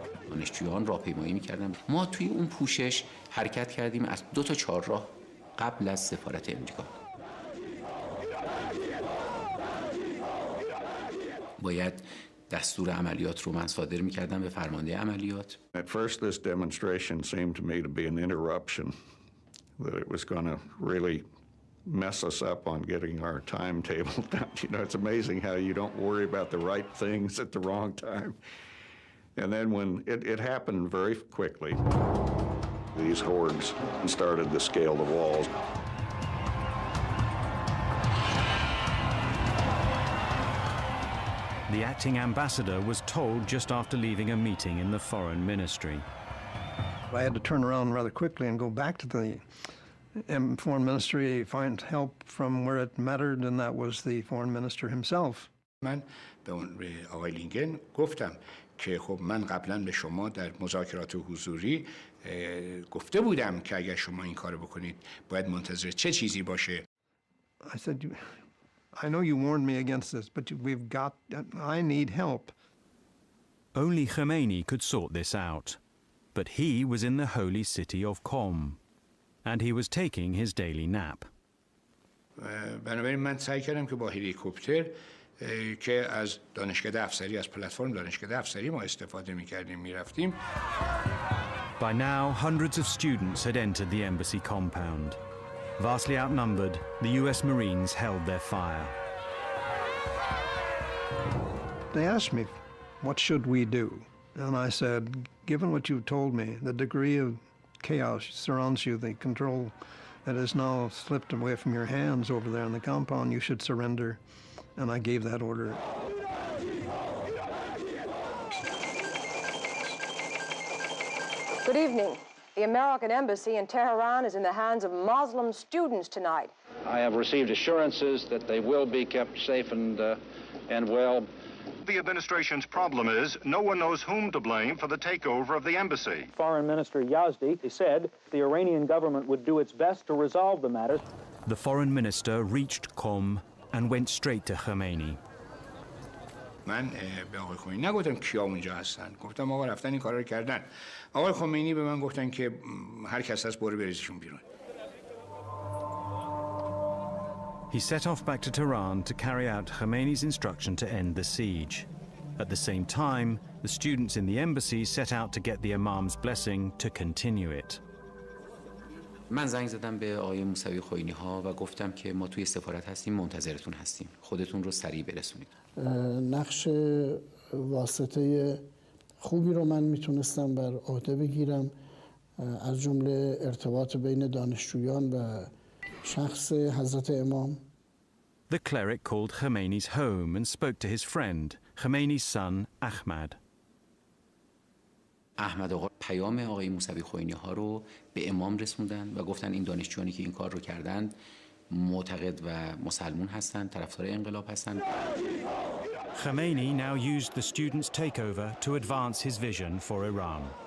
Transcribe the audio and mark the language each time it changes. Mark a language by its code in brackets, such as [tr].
[fa] دانشجویان راهپیمایی می‌کردند. ما توی اون پوشش حرکت کردیم از 2 تا 4 راه قبل از سفارت امریکا. باید دستور عملیات رو من صادر می‌کردم به فرمانده عملیات. [en] At first this demonstration seemed to me to be an interruption, that it was going to really mess us up on getting our timetable down. You know, it's amazing how you don't worry about the right things at the wrong time. And then when it happened very quickly, these hordes started to scale the walls. The acting ambassador was told just after leaving a meeting in the foreign ministry. I had to turn around rather quickly and go back to the foreign ministry, find help from where it mattered, and that was the foreign minister himself. [fa] من به آقای لینکن گفتم که خب من قبلا به شما در مذاکرات حضوری گفته بودم که اگر شما این کارو بکنید باید منتظر چه چیزی باشه. [en] I said, I know you warned me against this, but we've got, I need help. Only Khomeini could sort this out, but he was in the holy city of Qom. And he was taking his daily nap. [fa] بنابراین من سعی کردم که با هلیکوپتر که از دانشکده افسری از پلتفرم دانشکده افسری ما استفاده می‌کردیم می‌رفتیم. [en] By now, hundreds of students had entered the embassy compound. Vastly outnumbered, the US Marines held their fire. They asked me, what should we do? And I said, given what you've told me, the degree of chaos surrounds you, the control that has now slipped away from your hands over there in the compound, you should surrender. And I gave that order. Good evening. The American Embassy in Tehran is in the hands of Muslim students tonight. I have received assurances that they will be kept safe and well. The administration's problem is no one knows whom to blame for the takeover of the embassy. Foreign Minister Yazdi said the Iranian government would do its best to resolve the matter. The foreign minister reached Qom and went straight to Khomeini. [fa] من به آقای خمینی نگفتم کیا اونجا هستن، گفتم آقا رفتن این کار رو کردن. آقای خمینی به من گفتن که هر کس هست برو بریزشون بیرون. [en] He set off back to Tehran to carry out Khomeini's instruction to end the siege. At the same time, the students in the embassy set out to get the imam's blessing to continue it. [fa] من زنگ زدم به آقای موسوی خمینی ها و گفتم که ما توی سفارت هستیم، منتظرتون هستیم، خودتون رو سریع برسونید. نقش واسطه خوبی رو من میتونستم بر عهده بگیرم، از جمله ارتباط بین دانشجویان و شخص حضرت امام. [en] The cleric called Khomeini's home and spoke to his friend, Khomeini's son, Ahmad. [fa] احمد آقا پیام آقای موسوی خمینی ها رو به امام رسوندن و گفتن این دانشجویانی که این کار رو کردند معتقد و مسلمون هستند، طرفدار انقلاب هستند. [en] Khomeini now used the students' takeover to advance his vision for Iran.